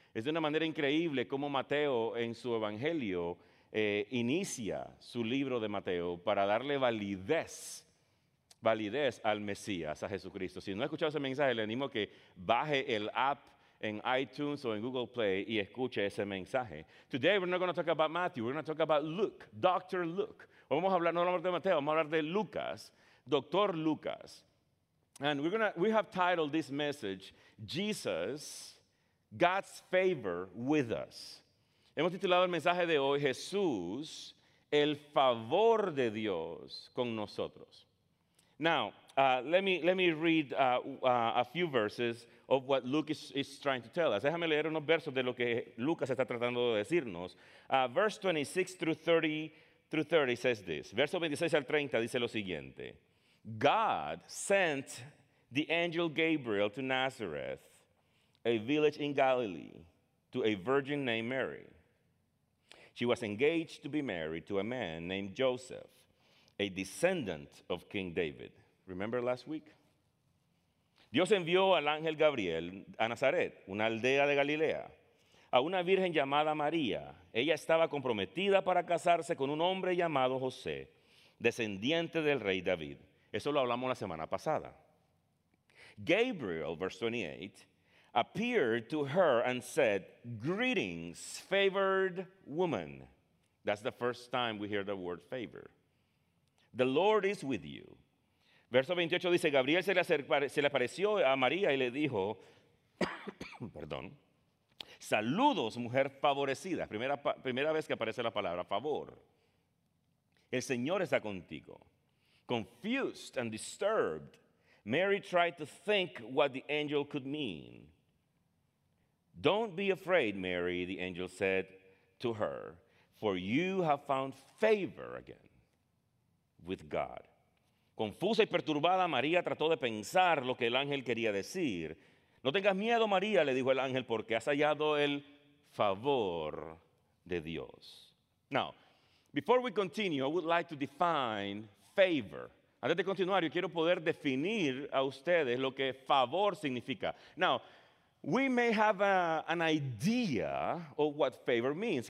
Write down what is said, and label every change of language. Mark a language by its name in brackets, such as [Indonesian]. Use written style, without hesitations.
[Spanish] Es de una manera increíble cómo Mateo en su evangelio inicia su libro de Mateo para darle validez al Mesías, a Jesucristo. Si no ha escuchado ese mensaje, le animo a que baje el app en iTunes o en Google Play y escuche ese mensaje. [English] Today we're not going to talk about Matthew, we're going to talk about Luke, Dr. Luke. [Spanish] Vamos a hablar, no vamos a hablar de Mateo, vamos a hablar de Lucas, Dr. Lucas. [English] And we have titled this message, Jesus, God's favor with us. [Spanish] Hemos titulado el mensaje de hoy, Jesús, el favor de Dios con nosotros. [English] Now, let me read a few verses of what Luke is trying to tell us. [Spanish] Déjame leer unos versos de lo que Lucas está tratando de decirnos. [English] Verse 26 through 30 says this. [Spanish] Verso 26 al 30 dice lo siguiente. [English] God sent the angel Gabriel to Nazareth, a village in Galilee, to a virgin named Mary. She was engaged to be married to a man named Joseph, a descendant of King David. Remember last week? [Spanish] Dios envió al ángel Gabriel a Nazaret, una aldea de Galilea, a una virgen llamada María. Ella estaba comprometida para casarse con un hombre llamado José, descendiente del rey David. Eso lo hablamos la semana pasada. [English] Gabriel, verse 28, appeared to her and said, "Greetings, favored woman." That's the first time we hear the word favor. The Lord is with you. [Spanish] Verso 28 dice, Gabriel se le apareció a María y le dijo, perdón, saludos, mujer favorecida. Primera vez que aparece la palabra favor. El Señor está contigo. [English] Confused and disturbed, Mary tried to think what the angel could mean. Don't be afraid, Mary, the angel said to her, for you have found favor again with God. [Spanish] Confusa y perturbada, María trató de pensar lo que el ángel quería decir. No tengas miedo, María, le dijo el ángel, porque has hallado el favor de Dios. [English] Now, before we continue, I would like to define favor. [Spanish] Antes de continuar, yo quiero poder definir a ustedes lo que favor significa. [English] Now, we may have an idea of what favor means.